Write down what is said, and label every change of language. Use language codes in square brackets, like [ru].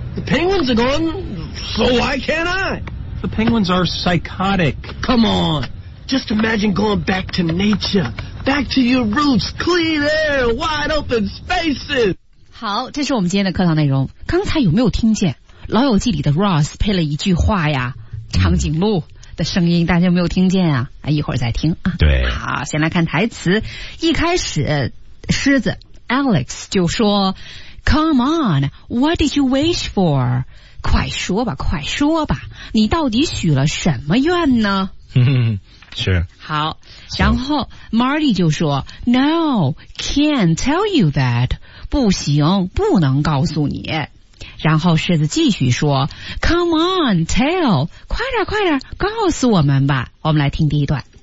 [en] The penguins are gone, so why can't I? The penguins are psychotic. Come on, just imagine going back to nature. Back to your roots, clean air, wide open spaces. [zh] 好，这是我们今天的课堂内容。刚才有没有听见《老友记》里的 Ross 配了一句话呀？长颈鹿的声音，大家有没有听见啊？一会儿再听啊。对。好，先来看台词。一开始，狮子 Alex 就说 ： [en] “Come on, what did you wish for？ [zh] 快说吧，快说吧，你到底许了什么愿呢？” 是。好，然后 Marty 就说 [en] No, can't tell you that. [zh] 不行，不能告诉你。然后狮子继续说 [en] Come on, tell. [zh] 快点快点，告诉我们吧。我们来听第一段。